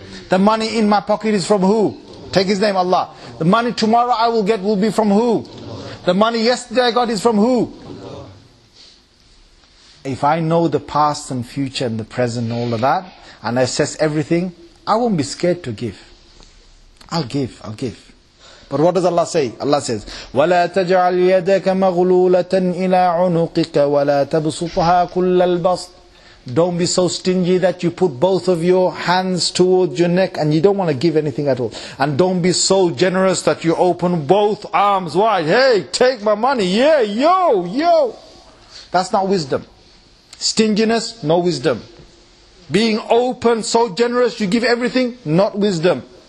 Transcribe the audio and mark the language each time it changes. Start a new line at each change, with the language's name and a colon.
English: The money in my pocket is from who? Take his name, Allah. The money tomorrow I will get will be from who? The money yesterday I got is from who? If I know the past and future and the present and all of that, and I assess everything, I won't be scared to give. I'll give. But what does Allah say? Allah says,
Arabic: وَلَا تَجْعَلْ يَدَكَ مَغْلُولَةً إِلَىٰ عُنُقِكَ وَلَا تَبْسُطُهَا كُلَّ الْبَسْطِ.
English: Don't be so stingy that you put both of your hands towards your neck and you don't want to give anything at all. And don't be so generous that you open both arms wide. Hey, take my money. Yeah, yo. That's not wisdom. Stinginess, no wisdom. Being open, so generous, you give everything, not wisdom.